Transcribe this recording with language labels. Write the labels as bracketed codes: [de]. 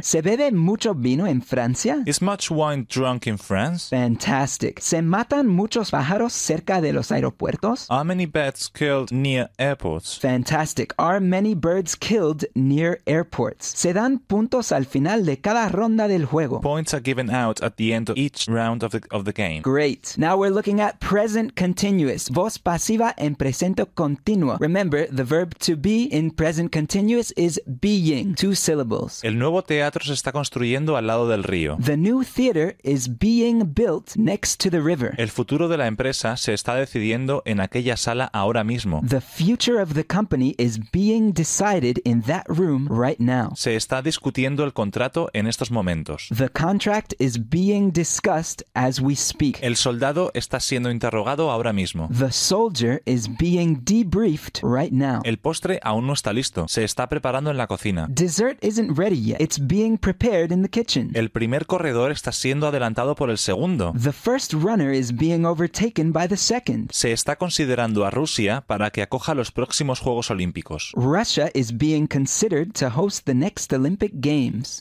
[es] ¿Se bebe mucho vino en Francia? [en] Is much wine drunk in France? Fantastic. [es] ¿Se matan muchos pájaros cerca de los aeropuertos? [en] Are many birds killed near airports? Fantastic. Are many birds killed near airports? [es] ¿Se dan puntos al final de cada ronda del juego? [en] Points are given out at the end of each round of the game. Great. Now we're looking at present continuous. [es] Voz pasiva en presente continuo. [en] Remember, the verb to be in present continuous is being. Two syllables. [es] El nuevo teatro se está construyendo al lado del río. [en] The new theater is being built next to the river. [es] El futuro de la empresa se está decidiendo en aquella sala ahora mismo. [en] The future of the company is being decided in that room right now. [es] Se está discutiendo el contrato en estos momentos. [en] The contract is being discussed as we speak. [es] El soldado está siendo interrogado ahora mismo. [en] The soldier is being debriefed right now. [es] El postre aún no está listo. Se está preparando en la cocina. [en] Dessert isn't ready yet. It's being prepared in the kitchen. [es] El primer corredor está siendo adelantado por el segundo. [en] The first runner is being overtaken by the second. [es] Se está considerando a Rusia para que acoja los próximos Juegos Olímpicos. [en] Russia is being considered to host the next Olympic Games.